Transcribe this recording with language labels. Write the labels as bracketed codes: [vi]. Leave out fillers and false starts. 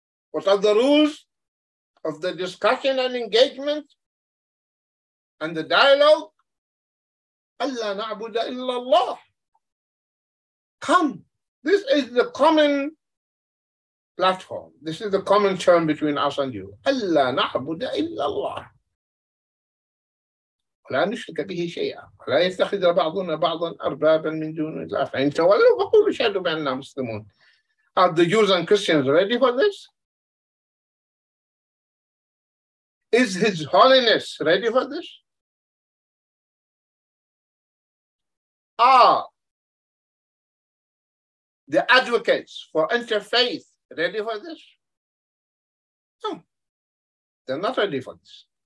[en] What are the rules of the discussion and engagement and the dialogue? [ar] Allah na'buda illallah. [en] Come. This is the common platform. This is the common term between us and you. [ar] Allah na'buda illallah. لا نشرك به شيئا ولا يتخذ بعضنا بعضا أربابا من دون الله فإن تولوا فقولوا شهدوا بأننا مسلمون. [en] Are the Jews and Christians ready for this? Is His Holiness ready for this? Are the advocates for interfaith ready for this? No, they're not ready for this.